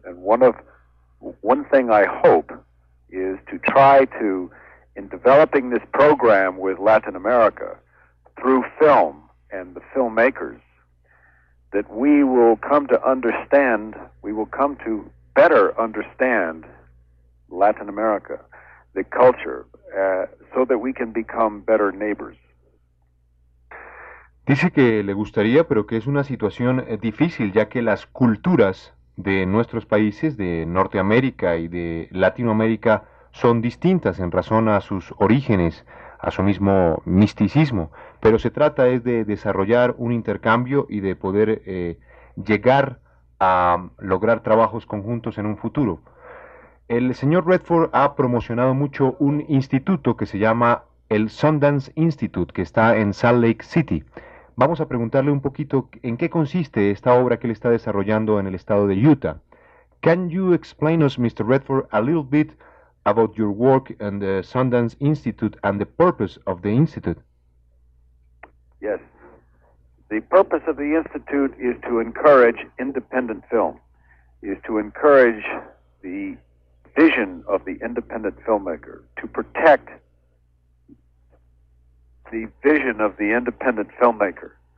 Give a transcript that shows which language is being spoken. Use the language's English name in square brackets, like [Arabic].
[English] And one thing I hope is to try to, in developing this program with Latin America through film and the filmmakers, that we will come to understand, we will come to better understand Latin America, the culture, so that we can become better neighbors. [Spanish] Dice que le gustaría, pero que es una situación difícil, ya que las culturas de nuestros países, de Norteamérica y de Latinoamérica, son distintas en razón a sus orígenes, a su mismo misticismo. Pero se trata es de desarrollar un intercambio y de poder llegar a lograr trabajos conjuntos en un futuro. El señor Redford ha promocionado mucho un instituto que se llama el Sundance Institute, que está en Salt Lake City. Vamos a preguntarle un poquito en qué consiste esta obra que él está desarrollando en el estado de Utah. [English] Can you explain us, Mr. Redford, a little bit about your work in the Sundance Institute and the purpose of the institute? Yes. The purpose of the institute is to encourage independent film, is to encourage the vision of the independent filmmaker, to protect the vision of the independent filmmaker.